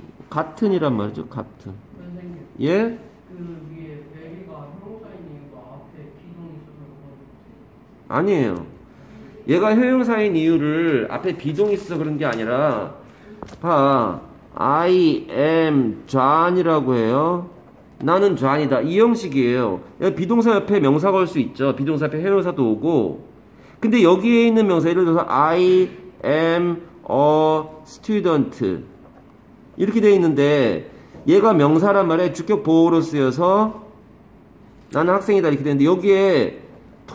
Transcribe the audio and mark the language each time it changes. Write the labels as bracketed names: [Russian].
[Korean] 같은 이란 말이죠. 같은. 선생님, 예? 그 위에 베리가 형용사인 이유가 앞에 비동이 있어서 그런 거 아니에요. 얘가 형용사인 이유를 앞에 비동이 있어서 그런 게 아니라 봐. [English] I am John [Korean] 이라고 해요. 나는 존이다. 이 형식이에요. 비동사 옆에 명사가 올 수 있죠. 비동사 옆에 형용사도 오고. 근데 여기에 있는 명사, 예를 들어서 [English] I am a student [Korean] 이렇게 되어 있는데 얘가 명사란 말에 주격 보호로 쓰여서 나는 학생이다 이렇게 되는데 여기에 t